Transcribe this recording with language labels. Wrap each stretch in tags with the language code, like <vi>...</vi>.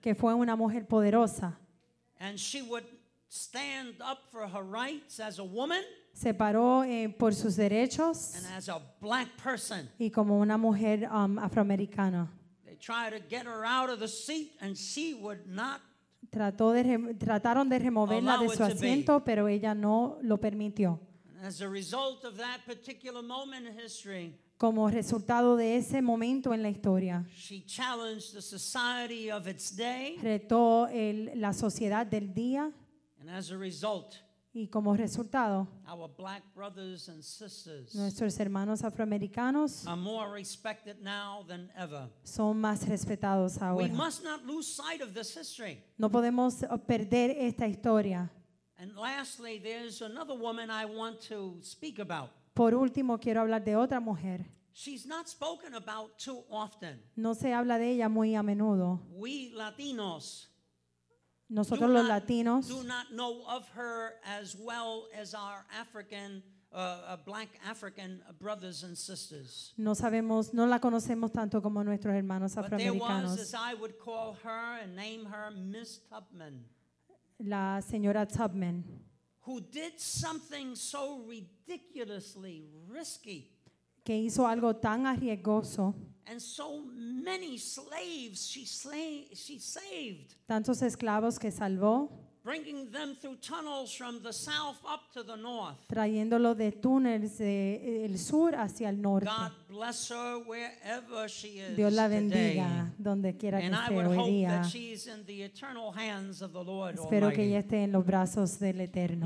<es>Que fue una mujer poderosa.</es> <en>And she would stand up for her rights as a woman.</en> <es>Se paró por sus derechos.</es> <en>And as a black person.</en> <es>Y como una mujer afroamericana.</es> <en>Try to get her out of the seat, and she would not.</en> <es>Trataron de removerla de su asiento, pero ella no lo permitió.</es> <en>As a result of that particular moment in history,</en> <es>como resultado de ese momento en la historia,</es> <en>she challenged the society of its day.</en> <es>Retó la sociedad del día.</es> <en>And as a result,</en> <es>y como resultado,</es> <en>our black brothers and sisters,</en> <es>nuestros hermanos afroamericanos,</es> <en>are more respected now than ever.</en> <es>Son más respetados ahora.</es> <en>We must not lose sight of this history.</en> <es>No podemos perder esta historia.</es> <en>And lastly, there's another woman I want to speak about.</en> <es>Por último, quiero hablar de otra mujer.</es> <en>She's not spoken about too often.</en> <es>No se habla de ella muy a menudo.</es> <en>We Latinos.</en> <es>Nosotros los latinos</es> <en>do not know of her as well as our African, black African brothers and sisters.</en> <es>No sabemos, no la conocemos tanto como nuestros hermanos afroamericanos.</es> <en>But there was, as I would call her and name her, Miss Tubman.</en> <es>La señora Tubman.</es> <en>Who did something so ridiculously risky.</en> <es>Que hizo algo tan arriesgoso.</es> <en>And so many slaves she saved.</en> <es>Tantos esclavos que salvó.</es> <en>Bringing them through tunnels from the south up to the north.</en> <es>Trayéndolo de túneles del sur hacia el norte.</es> <en>God bless her wherever she is.</en> <es>Dios la bendiga donde quiera que esté hoy día.</es> <en>And I hope that she's in the eternal hands of the Lord Almighty.</en> <es>Espero que ella esté en los brazos del Eterno.</es>